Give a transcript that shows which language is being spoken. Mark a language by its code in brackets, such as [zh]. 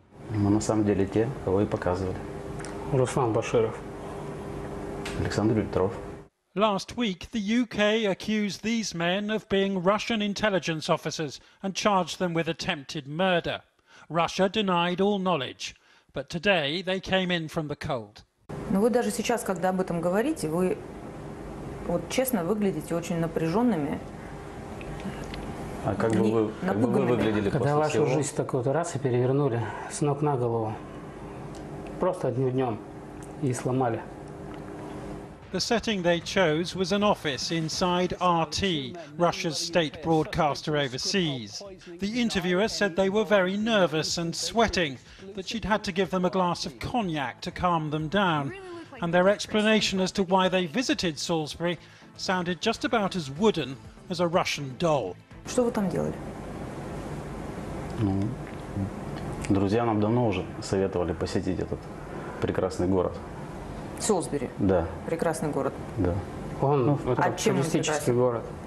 [ru] Мы на самом деле те, кого и показывали. Руслан Баширов. Александр Петров. [en] Last week, the UK accused these men of being Russian intelligence officers and charged them with attempted murder. Russia denied all knowledge, but today they came in from the cold. [ru] Но вы даже сейчас, когда об этом говорите, вы вот честно выглядите очень напряженными. А как бы вы, как бы вы выглядели когда после вашу Жизнь так вот раз и перевернули с ног на голову, просто одним днем и сломали. [en] The setting they chose was an office inside RT, Russia's state broadcaster overseas. The interviewer said they were very nervous and sweating, that she'd had to give them a glass of cognac to calm them down. And their explanation as to why they visited Salisbury sounded just about as wooden as a Russian doll. [ru] Что вы там делали? Ну, друзья нам давно уже советовали посетить этот прекрасный город. Солсбери. Да. Прекрасный город. Да. Он, ну, это а чем туристический он город.